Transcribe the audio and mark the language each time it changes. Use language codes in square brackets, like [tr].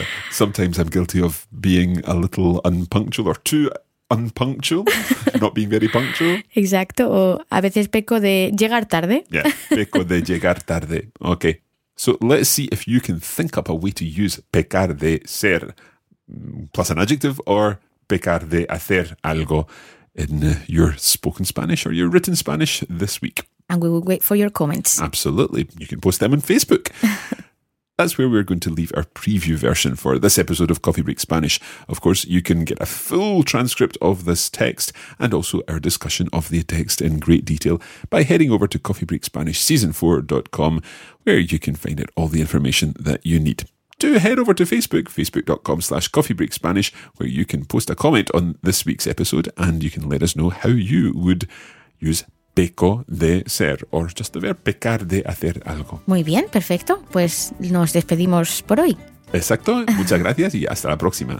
[en] sometimes I'm guilty of being a little unpunctual or too unpunctual, not being very punctual. [es] Exacto. O a veces peco de llegar tarde. [en] Yeah. [es] Peco de llegar tarde. [en] Okay. So let's see if you can think up a way to use [es] pecar de ser [en] plus an adjective or [es] pecar de hacer algo [en] in your spoken Spanish or your written Spanish this week. And we will wait for your comments. Absolutely. You can post them on Facebook. That's where we're going to leave our preview version for this episode of Coffee Break Spanish. Of course, you can get a full transcript of this text and also our discussion of the text in great detail by heading over to coffeebreakspanishseason4.com, where you can find out all the information that you need. Do head over to Facebook, facebook.com/coffeebreakspanish, where you can post a comment on this week's episode and you can let us know how you would use [es] peco de ser, [en] or just the verb [es] pecar de hacer algo. Muy bien, perfecto. Pues nos despedimos por hoy. Exacto. Muchas gracias y hasta la próxima.